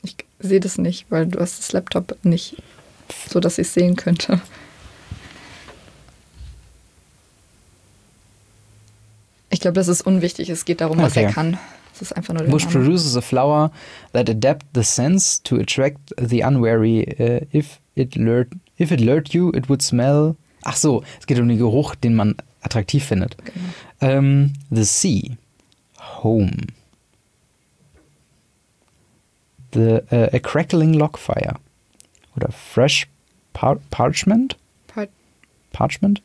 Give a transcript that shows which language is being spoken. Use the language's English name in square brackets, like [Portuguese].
[German] Ich sehe das nicht, weil du hast das Laptop nicht, so dass ich es sehen könnte. Ich glaube, das ist unwichtig. Es geht darum, was er kann. Es ist einfach nur der [English] Bush produces a flower that adapt the scents to attract the unwary. If it lured you, it would smell... [German] Ach so, es geht um den Geruch, den man attraktiv findet. [English] Genau. The sea. Home. A crackling log fire. Oder fresh parchment? Parchment?